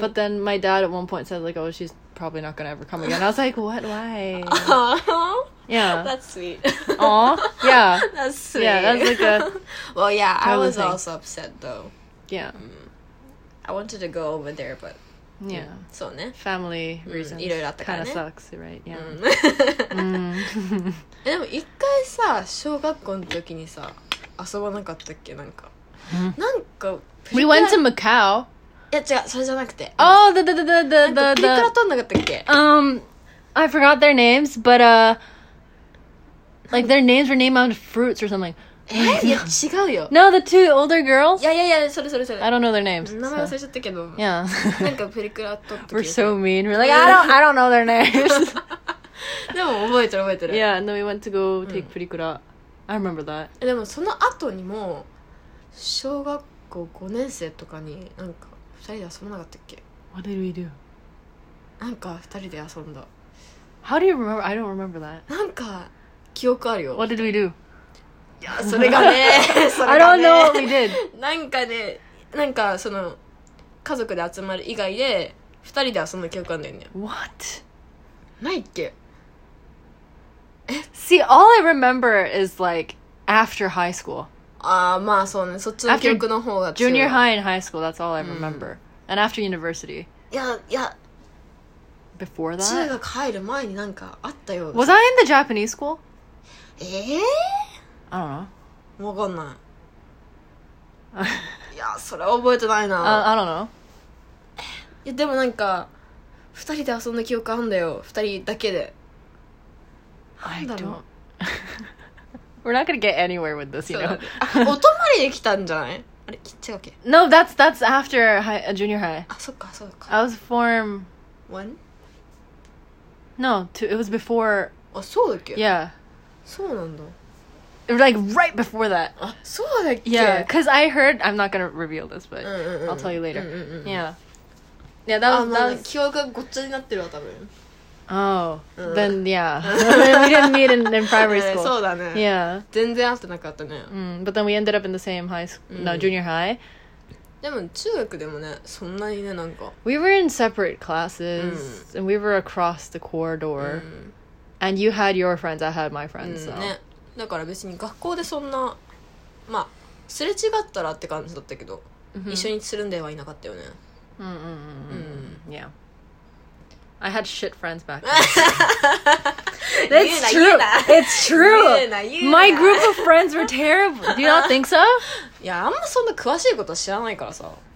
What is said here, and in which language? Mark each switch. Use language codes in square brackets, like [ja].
[en] But then my dad at one point said, like, oh, she's probably not going to ever come again. I was like, what? Why? Yeah. That's sweet. Aw. Yeah. That's sweet. Yeah, that's like a... Well, yeah, I was also upset, though. Yeah. I wanted to go over there, but... Yeah. [ja] そうね。 [en] Family reasons. [ja] いろいろあったからね。 [en] Kind of sucks, right? Yeah. [ja] でも一回さ、小学校の時にさ、遊ばなかったっけ?なんか。なんか、 [en] We went to Macau. [ja] いや、違う。それじゃなくて。 [en] Oh, the... [ja] なんか、プリクラ撮んなかったっけ? [en] I forgot their names, but, Like, their names were named out of fruits or something. [ja] え、いや違うよ。 [en] No, the two older girls? [ja] いやいやいや、それ。 [en] I don't know their names. [ja] 名前忘れちゃったけど。 [en] Yeah. [ja] なんかプリクラ撮った。 [en] We're so mean. We're like, I don't know their names. [ja] でも覚えてる。 [en] Yeah, and then we went to go take プリクラ。 I remember that. [ja] でもその後にも、小学校5年生とかになんか2人で遊ばなかったっけ? [en] What did we do? [ja] なんか2人で遊んだ。 [en] How do you remember? I don't remember that. [ja] なんか記憶あるよ。 [en] What did we do? [ja] それがね、それがね。 [en] I don't know what we did. [ja] なんかね、なんかその家族で集まる以外で二人で遊んだ記憶あるんだよね。 [en] What? [ja] ないっけ。 [en] See, all I remember is like after high school. [ja] ああ、まあそうね。そっちの記憶の方が強い。 [en] After junior high and high school, that's all I remember. And after university. [ja] いや。 [en] Before that. [ja] 中学入る前になんかあったよ。 [en] Was I in the Japanese school? I don't know. [ja] わかんない。いや、それは覚えてないな。 [en] I don't know. [ja] いや、でもなんか、二人で遊んだ記憶あるんだよ。二人だけで。 [en] I don't... We're not gonna get anywhere with this, you know? [ja] お泊まりで来たんじゃない? あれ、違うっけ? [en] No, that's after high, junior high. [ja] あ、そっか。 [en] I was form... One? No, it was before... [ja] あ、そうだっけ? [en] Yeah. [ja] そうなんだ。 [en] Like right before that. [ja] そうだっけ? [en] Yeah, because I heard. I'm not gonna reveal this, but I'll tell you later. Yeah, that was. [ja] あ、まあ、記憶がごっちゃになってるわ、多分。 [en] Oh, then yeah, we didn't meet in primary school. [ja] そうだね。 [en] Yeah. [ja] 全然会ってなかったね。 [en] But then we ended up in the same high school, no, junior high. [ja] でも中学でもね、そんなにね、なんか。 [en] We were in separate classes, and we were across the corridor, and you had your friends, I had my friends, so. [ja] だから別に学校でそんなまあすれ違ったらって感じだったけど、mm-hmm. 一緒につるんではいなかったよね。 [en] Yeah. I had shit friends back then. It's true. It's true. My group of friends were terrible. Do you not think so? [ja] いやあんまそんな詳しいことは知らないからさ。